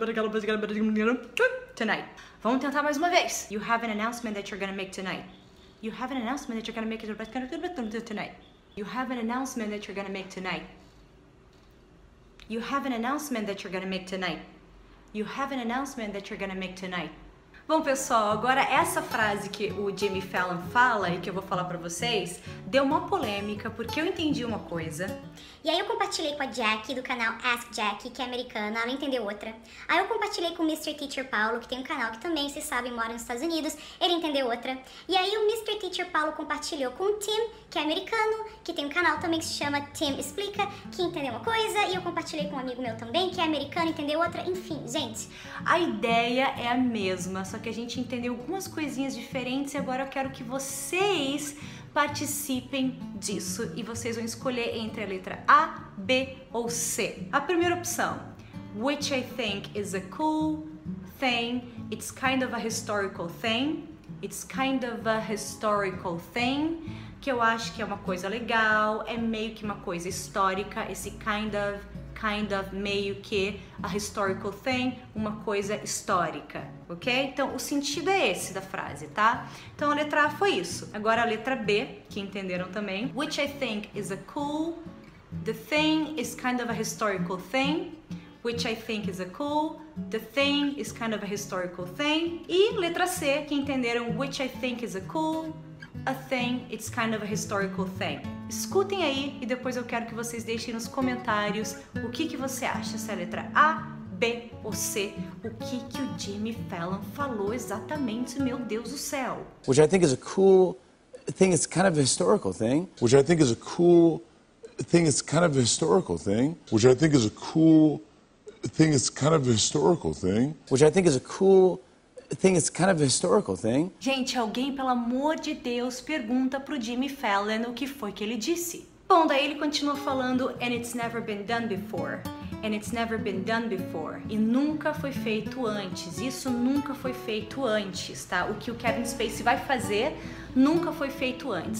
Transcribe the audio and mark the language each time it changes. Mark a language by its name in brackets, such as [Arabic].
[English] You have an announcement that you're gonna make tonight. [Portuguese] Vamos tentar mais uma vez. [English] You have an announcement that you're gonna make tonight. You have an announcement that you're gonna make tonight. You have an announcement that you're gonna make tonight. You have an announcement that you're gonna make tonight. You have an announcement that you're gonna make tonight. [Portuguese] Bom, pessoal, agora essa frase que o Jimmy Fallon fala e que eu vou falar pra vocês deu uma polêmica porque eu entendi uma coisa. E aí eu compartilhei com a Jackie do canal Ask Jackie, que é americana, ela entendeu outra. Aí eu compartilhei com o Mr. Teacher Paulo, que tem um canal que também, vocês sabem, mora nos Estados Unidos, ele entendeu outra. E aí o Mr. Teacher Paulo compartilhou com o Tim, que é americano, que tem um canal também que se chama Tim Explica, que entendeu uma coisa. E eu compartilhei com um amigo meu também, que é americano, entendeu outra. Enfim, gente. A ideia é a mesma. Só que a gente entendeu algumas coisinhas diferentes e agora eu quero que vocês participem disso. E vocês vão escolher entre a letra A, B ou C. A primeira opção, [English] which I think is a cool thing, it's kind of a historical thing, it's kind of a historical thing. [Portuguese] que eu acho que é uma coisa legal, é meio que uma coisa histórica, esse [English] kind of, [Portuguese] meio que, [English] a historical thing, [Portuguese] uma coisa histórica, ok? Então, o sentido é esse da frase, tá? Então, a letra A foi isso. Agora, a letra B, que entenderam também. [English] Which I think is a cool, the thing is kind of a historical thing. Which I think is a cool, the thing is kind of a historical thing. [Portuguese] E letra C, que entenderam, [English] which I think is a cool, a thing, it's kind of a historical thing. [Portuguese] Escutem aí e depois eu quero que vocês deixem nos comentários o que você acha, se é a letra A, B ou C, o que o Jimmy Fallon falou exatamente, meu Deus do céu. [English] Which I think is a cool thing, it's kind of a historical thing. Which I think is a cool thing, it's kind of a historical thing. Which I think is a cool thing, it's kind of a historical thing. Which I think is a cool thing, it's kind of a historical thing. [Portuguese] Gente, alguém, pelo amor de Deus, pergunta pro Jimmy Fallon o que foi que ele disse. Bom, daí ele continua falando, [English] and it's never been done before. And it's never been done before. [Portuguese] E nunca foi feito antes. Isso nunca foi feito antes, tá? O que o Kevin Spacey vai fazer nunca foi feito antes.